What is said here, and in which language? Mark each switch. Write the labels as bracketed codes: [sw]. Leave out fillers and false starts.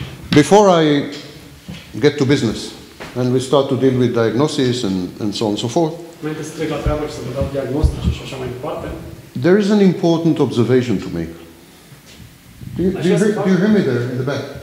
[en] Before I get to business and we start to deal with diagnosis and so on and so forth, [ro] înainte să trec la treabă și să vă dau diagnostice și așa mai departe, [en] there is an important observation to make. Do you hear me there in the back?